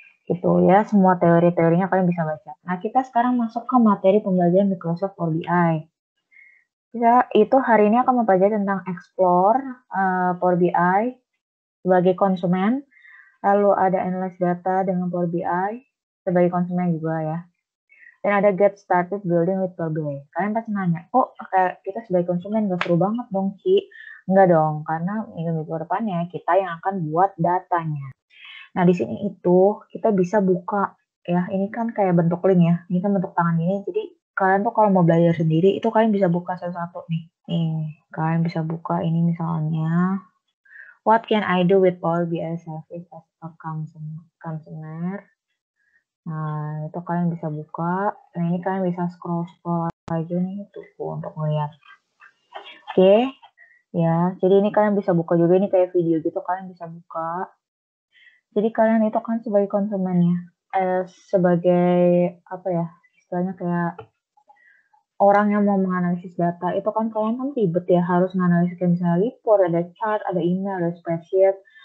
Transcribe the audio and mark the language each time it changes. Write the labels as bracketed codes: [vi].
[id] Gitu ya, semua teori-teorinya kalian bisa baca. Nah, kita sekarang masuk ke materi pembelajaran Microsoft Power BI. Ya, itu hari ini akan mempelajari tentang explore Power BI sebagai konsumen, lalu ada analyze data dengan Power BI sebagai konsumen juga ya. Dan ada [en] get started building with Power BI. [id] Kalian pasti nanya, kok kayak kita sebagai konsumen gak seru banget dong, Ci? Enggak dong, karena minggu-minggu depannya kita yang akan buat datanya. Nah, di sini itu kita bisa buka, ya, ini kan kayak bentuk link ya. Ini kan bentuk tangan ini, jadi kalian tuh kalau mau belajar sendiri, itu kalian bisa buka satu-satu nih. Nih, kalian bisa buka ini misalnya. [en] What can I do with Power BI service as a consumer? [id] Nah, itu kalian bisa buka. Nah, ini kalian bisa scroll-scroll aja nih tuh untuk melihat. Oke. Ya, jadi ini kalian bisa buka juga. Ini kayak video gitu, kalian bisa buka. Jadi kalian itu kan sebagai konsumen ya. Sebagai, apa ya, istilahnya kayak orang yang mau menganalisis data, itu kan kalian kan ribet ya, harus menganalisis kayak misalnya report, ada chart, ada email, ada spreadsheet.